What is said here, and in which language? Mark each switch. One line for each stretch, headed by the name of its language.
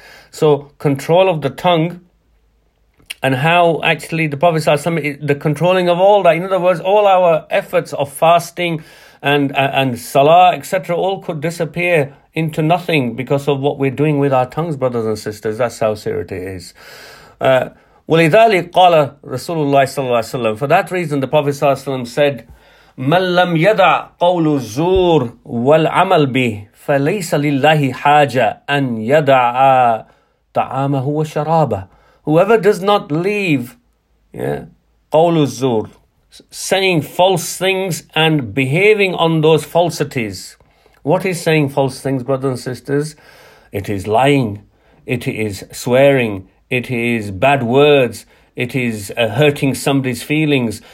English: So control of the tongue. And how actually the Prophet Sallallahu Alaihi Wasallam, the controlling of all that, in other words, all our efforts of fasting and salah, etc., all could disappear into nothing because of what we're doing with our tongues, brothers and sisters. That's how serious it is.
Arabic: وَلِذَلِكْ قَالَ رَسُولُ اللَّهِ صَلَّى اللَّهِ عَلَيْهِ وَسَلَّمُ.
English: For that reason, the Prophet Sallallahu Alaihi Wasallam said,
Arabic: مَنْ لَمْ يَدَعْ قَوْلُ الزُّورِ وَالْعَمَلْ بِهِ فَلَيْسَ لِلَّهِ حَاجَ أَنْ يَدَعَ طَعَامَهُ وَشَرَابَهُ.
English: Whoever does not leave, qawlu zur, saying false things and behaving on those falsities. What is saying false things, brothers and sisters? It is lying, it is swearing, it is bad words, it is hurting somebody's feelings.